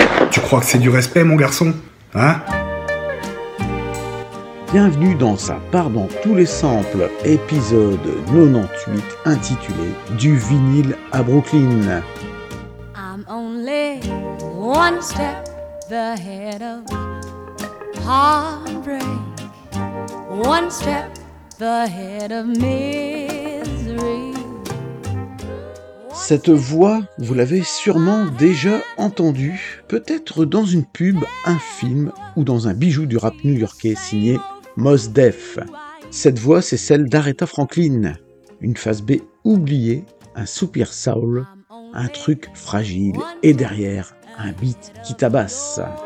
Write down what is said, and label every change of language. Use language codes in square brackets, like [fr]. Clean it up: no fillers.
[fr] Tu crois que c'est du respect, mon garçon? Hein? Bienvenue dans Ça part dans tous les samples, épisode 98, intitulé Du vinyle à Brooklyn. [en] I'm only one step ahead of heartbreak, one step ahead of misery. [fr] Cette voix, vous l'avez sûrement déjà entendue, peut-être dans une pub, un film ou dans un bijou du rap new-yorkais signé Mos Def. Cette voix, c'est celle d'Aretha Franklin. Une face B oubliée, un soupir soul, un truc fragile et derrière, un beat qui tabasse.